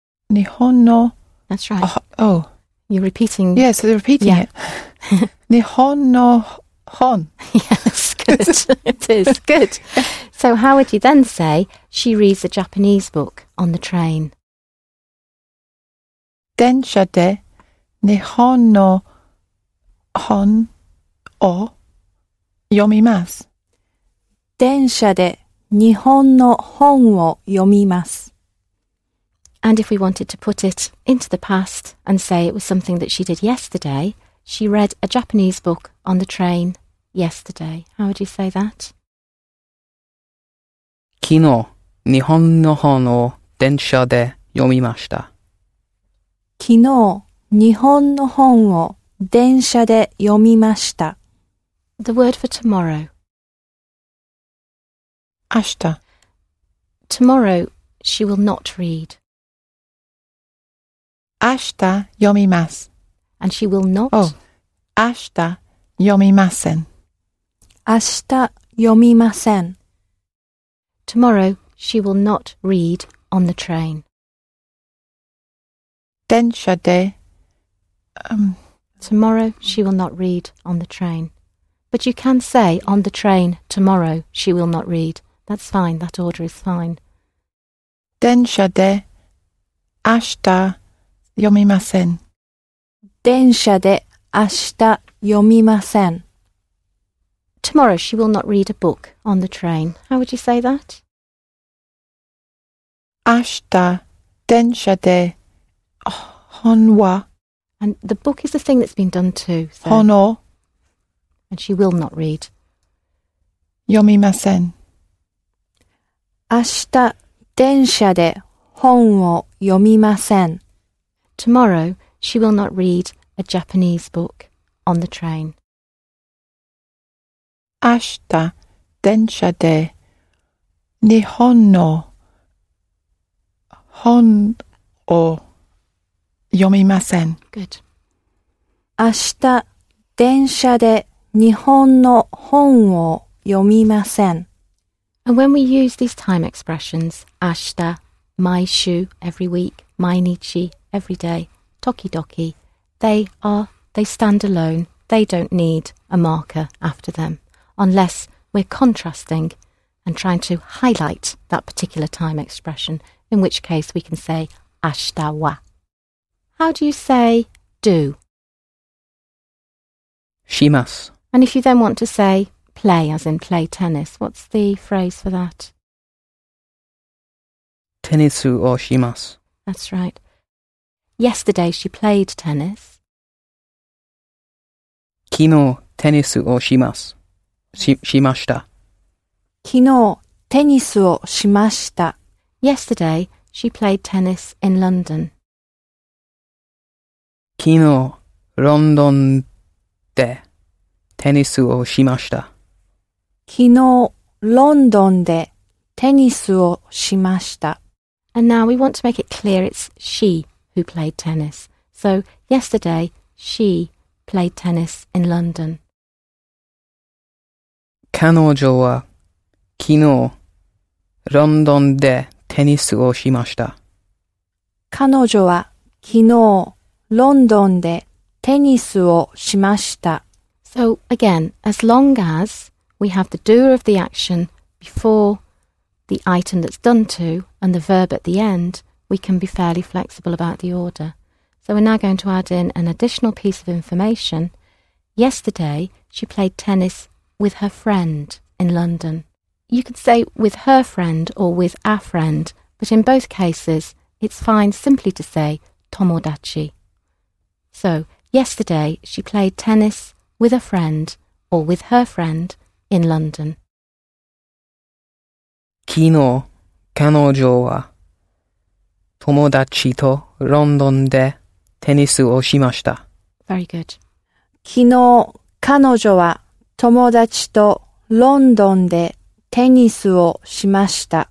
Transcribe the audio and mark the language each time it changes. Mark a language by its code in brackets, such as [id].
[ja] 日本 の... [en] That's right. Oh. You're repeating. Yes, they're repeating it. [ja] 日本 の本. [en] Yes, good. It is. Good. So how would you then say she reads a Japanese book on the train? [ja] 電車 で 日本 の 本 を 読みます. 電車 で 日本 の 本 を 読みます. [en] And if we wanted to put it into the past and say it was something that she did yesterday, she read a Japanese book on the train yesterday. How would you say that? [ja] 昨日、日本の本を電車で読みました。昨日、日本の本を電車で読みました。 [en] The word for tomorrow. [ja] 明日。 [en] Tomorrow, she will not read. [ja] 明日読みます。 [en] And she will not? [ja] Oh, 明日読みません。明日読みません。 [en] Tomorrow, she will not read on the train. [ja] 電車で [en] Tomorrow, she will not read on the train. But you can say, on the train, tomorrow, she will not read. That's fine, that order is fine. [ja] 電車で明日読みません。電車で明日読みません。 [en] Tomorrow, she will not read a book on the train. How would you say that? [ja] 明日電車で本は [en] And the book is the thing that's been done too. So, [ja] 本を [en] And she will not read. [ja] 読みません。明日電車で本を読みません。 [en] Tomorrow, she will not read a Japanese book on the train. [ja] 明日電車で日本の本を読みません。 [en] Good. [ja] 明日電車で日本の本を読みません。 [en] And when we use these time expressions, [ja] 明日、毎週、 [en] every week, [ja] 毎日、 [en] every day, [ja] 時々、 [en] they stand alone, they don't need a marker after them, unless we're contrasting and trying to highlight that particular time expression,In which case we can say, [ja] 明日は。 [en] How do you say, do? [ja] します。 [en] And if you then want to say, play, as in play tennis, what's the phrase for that? [ja] テニスをします。 [en] That's right. Yesterday she played tennis. [ja] 昨日テニスをします。しました。昨日テニスをしました。 [en] Yesterday, she played tennis in London. [ja] 昨日、ロンドンでテニスをしました。昨日、ロンドンでテニスをしました。 [en] And now we want to make it clear it's she who played tennis. So, yesterday, she played tennis in London. [ja] 彼女は昨日、ロンドンでテニスをしました。彼女は昨日ロンドンでテニスをしました。 [en] So again, as long as we have the doer of the action before the item that's done to and the verb at the end, we can be fairly flexible about the order. So we're now going to add in an additional piece of information. Yesterday, she played tennis with her friend in London. You could say with her friend or with a friend, but in both cases, it's fine simply to say 友達. So, yesterday, she played tennis with a friend or with her friend in London. [ja] 昨日、彼女は友達とロンドンでテニスをしました。 [en] Very good. [ja] 昨日、彼女は友達とロンドンでテニスをしました。